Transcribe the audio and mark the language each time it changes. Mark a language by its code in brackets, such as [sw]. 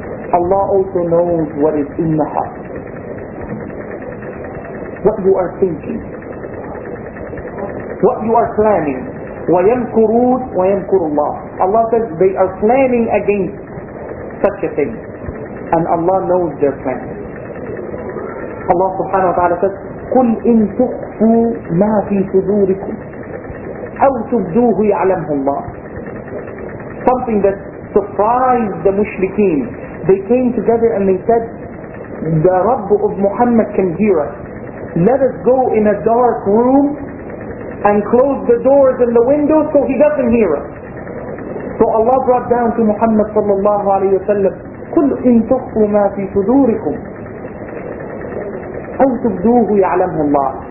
[en] Allah also knows what is in the heart, what you are thinking, what you are planning. [ar] وَيَمْكُرُونَ وَيَمْكُرُ اللَّهُ, [en] Allah says they are planning against such a thing, and Allah knows their plan. Allah subhanahu wa ta'ala says, [ar] قُلْ إِن تُخْفُوا مَا فِي صُدُورِكُمْ أَوْ تُبْدُوهُ يَعْلَمْهُ اللَّهُ, [en] something that surprised the mushrikeen. They came together and they said, the Rabb of Muhammad can hear us. Let us go in a dark room and close the doors and the windows so he doesn't hear us. So Allah brought down to Muhammad sallallahu alayhi wa sallam, [ar] قُلْ إِن تُخْفُوا مَا فِي صُدُورِكُمْ أَوْ تُبْدُوهُ يَعْلَمْهُ اللَّهُ.